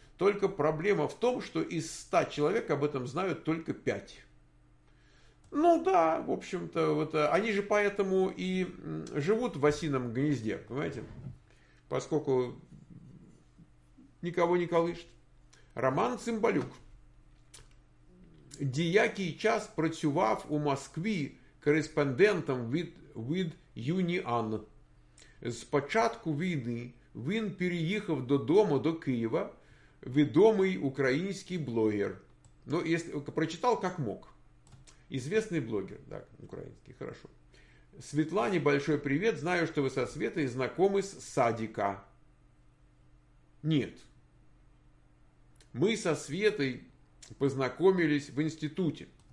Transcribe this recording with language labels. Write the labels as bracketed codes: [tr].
[ru] Только проблема в том, что из 100 человек об этом знают только 5. Ну да, в общем-то, вот они же поэтому и живут в осином гнезде, понимаете? Поскольку никого не колышет. Роман Цымбалюк. [uk] Диякий час працював у Москві кореспондентом від Юніан. З початку війни він переїхав додому до Києва, відомий український блогер. [ru] Ну, если прочитал, как мог. Известный блогер, да, украинский, хорошо. Светлане большой привет, знаю, что вы со Светой знакомы с садика. Нет. Мы со Светой познакомились в институте.